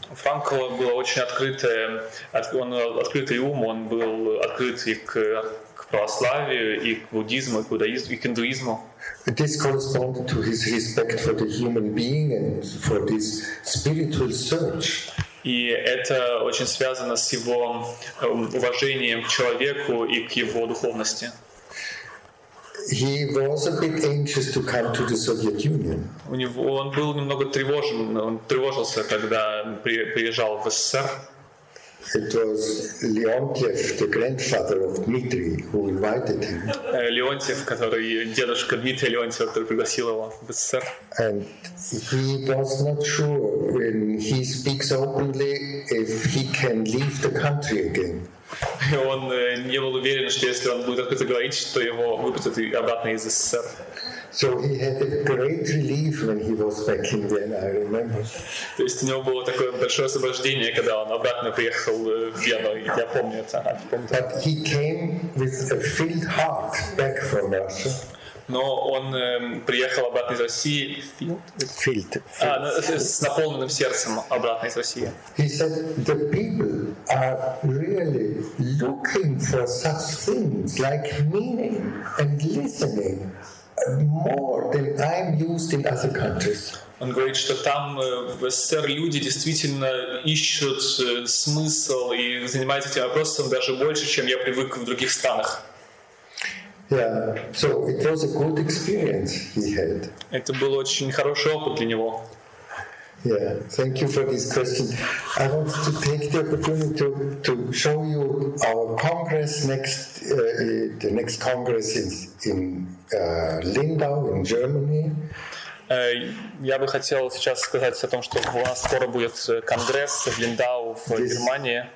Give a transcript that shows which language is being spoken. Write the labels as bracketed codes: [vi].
[ru] Франко был очень открытый ум, он был открыт и к православию, и к буддизму, и к иудаизму, и к индуизму. [en] This corresponded to his respect for the human being and for this spiritual search. [ru] И это очень связано с его уважением к человеку и к его духовности. [en] He was a bit anxious to come to the Soviet Union. [ru] У него он был немного тревожен. Он тревожился, когда приезжал в СССР. [en] It was Leontiev, the grandfather of Dmitry, who invited him. [ru] Леонтьев, который дедушка Дмитрия Леонтьева, который пригласил его в СССР. [en] And he was not sure when he speaks openly if he can leave the country again. [ru] И он не был уверен, что если он будет открыто говорить, что его выпустят обратно из СССР. [en] So he had a great relief when he was back in Vienna, I remember. [ru] То есть у него было такое большое освобождение, когда он обратно приехал в Вену, я помню это. [en] But he came with a filled heart back from Russia. [ru] Но он приехал обратно из России с наполненным сердцем обратно из России. [en] He said the people are really looking for such things like meaning and listening more than I'm used in other countries. [ru] Он говорит, что там в СССР люди действительно ищут смысл и занимаются этим вопросом даже больше, чем я привык в других странах. [en] Yeah, so it was a good experience he had. [ru] Это был очень хороший опыт для него. [en] Yeah, thank you for this question. I want to take the opportunity to show you our congress next congress in Lindau in Germany. [ru] Я бы хотел сейчас сказать о том, что у нас скоро будет конгресс в Линдау в Германии.